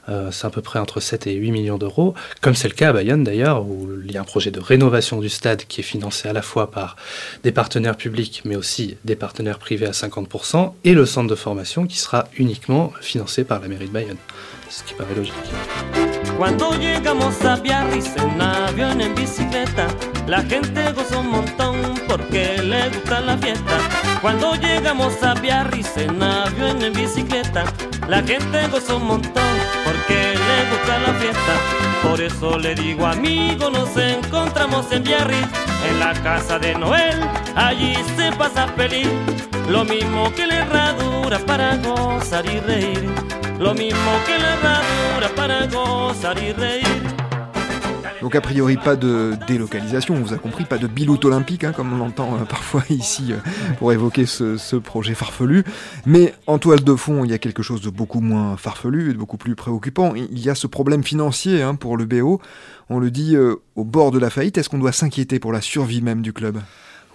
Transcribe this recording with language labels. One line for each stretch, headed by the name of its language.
French: C'est à peu près entre 7 et 8 millions d'euros, comme c'est le cas à Bayonne d'ailleurs, où il y a un projet de rénovation du stade qui est financé à la fois par des partenaires publics, mais aussi des partenaires privés à 50%, et le centre de formation qui sera uniquement financé par la mairie de Bayonne, ce qui paraît logique.
Spanish: Cuando llegamos a Biarritz en avión en bicicleta, la gente gozó un montón porque le gusta la fiesta. Cuando llegamos a Biarritz en avión en bicicleta, la gente gozó un montón porque le gusta la fiesta. Por eso le digo amigo, nos encontramos en Biarritz, en la casa de Noel, allí se pasa feliz. Lo mismo que la herradura para gozar y reír. Lo mismo que la herradura para gozar y reír. Dale.
French: Donc a priori, pas de délocalisation, on vous a compris, pas de biloute olympique, hein, comme on l'entend parfois ici pour évoquer ce projet farfelu. Mais en toile de fond, il y a quelque chose de beaucoup moins farfelu et de beaucoup plus préoccupant. Il y a ce problème financier, hein, pour le BO. On le dit, au bord de la faillite, est-ce qu'on doit s'inquiéter pour la survie même du club ?